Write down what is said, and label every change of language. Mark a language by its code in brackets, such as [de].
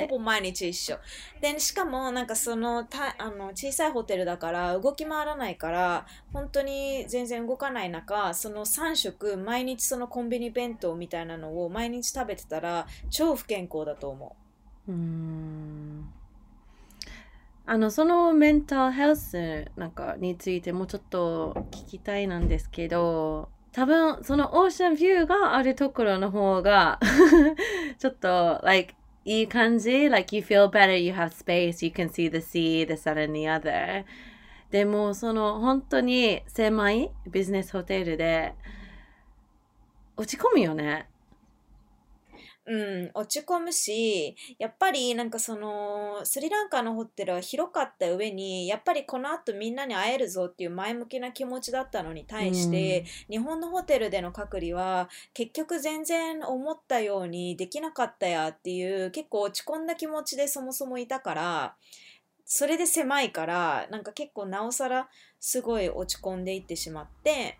[ja] ほぼ毎日一緒で、しかもなんかその小さいホテルだから動き回らないから、本当に全然動かない中、その3食毎日そのコンビニ弁当みたいなのを毎日食べてたら超不健康だと思う。そのメンタルヘルスなんかについてもうちょっと聞きたいなんですけど、多分そのオーシャンビューがあるところの方がちょっと like いい感じ [en] Like you feel better, you have space, you can see the sea, this and the other. [ja] でもその本当に狭いビジネスホテルで落ち込むよね。うん、落ち込むし、やっぱりなんかそのスリランカのホテルは広かった上に、やっぱりこのあとみんなに会えるぞっていう前向きな気持ちだったのに対して、うん、日本のホテルでの隔離は結局全然思ったようにできなかったやっていう、結構落ち込んだ気持ちでそもそもいたから、それで狭いからなんか結構なおさらすごい落ち込んでいってしまって、